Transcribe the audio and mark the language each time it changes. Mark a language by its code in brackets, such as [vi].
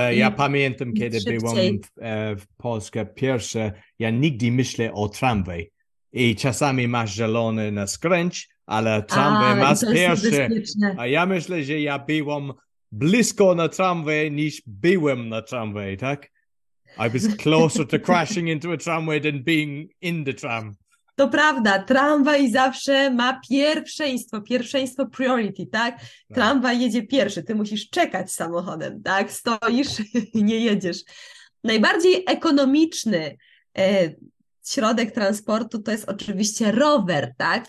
[pl] ale ja pamiętam, kiedy byłem w Polsce pierwsze, ja nigdy myślę o tramwaj i czasami masz zielony na skręć, ale tramwaj ma pierwszy, a ja myślę, że ja byłem blisko na tramwaj niż byłem na tramwaj, tak? [en] I was closer to crashing into a tramway than being in the tram. [pl] To prawda, tramwaj zawsze ma pierwszeństwo priority, tak? Tramwaj jedzie pierwszy, ty musisz czekać samochodem, tak? Stoisz i nie jedziesz. Najbardziej ekonomiczny środek transportu to jest oczywiście rower, tak?